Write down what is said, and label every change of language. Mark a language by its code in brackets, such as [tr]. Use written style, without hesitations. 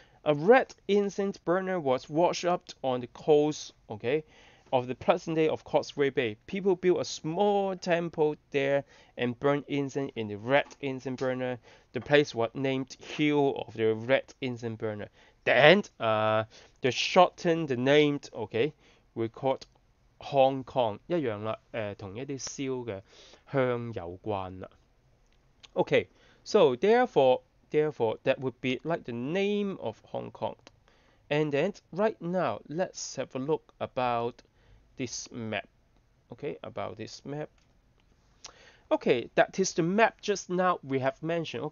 [en] A red incense burner was washed up on the coast, okay, of the present day of Causeway Bay. People built a small temple there and burned incense in the red incense burner. The place was named Hill of the Red Incense Burner. Then they shortened the name, okay, we call it Hong Kong. [yue] 一樣啦，同一啲燒嘅香有關啦。 [en] Okay, so therefore that would be like the name of Hong Kong. And then right now let's have a look about this map. Okay, about this map. Okay, that is the map just now we have mentioned.